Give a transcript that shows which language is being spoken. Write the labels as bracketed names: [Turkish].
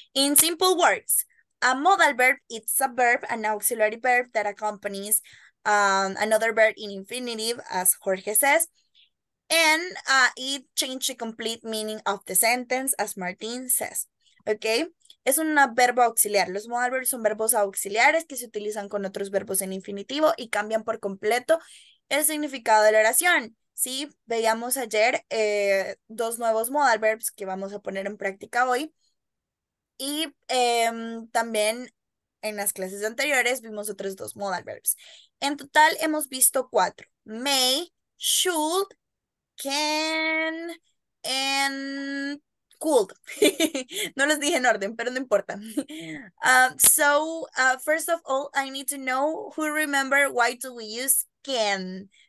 [English] In simple words, a modal verb, it's a verb, an auxiliary verb that accompanies another verb in infinitive, as Jorge says. And it changed the complete meaning of the sentence, as Martín says. [Spanish] Okay? Es un verbo auxiliar. Los modal verbs son verbos auxiliares que se utilizan con otros verbos en infinitivo y cambian por completo el significado de la oración. Sí, veíamos ayer dos nuevos modal verbs que vamos a poner en práctica hoy. Y también en las clases anteriores vimos otros dos modal verbs. En total hemos visto cuatro. [English] May, should, can, and could. [Spanish] No los dije en orden, pero no importa. [English] First of all, I need to know who remember why do we use can.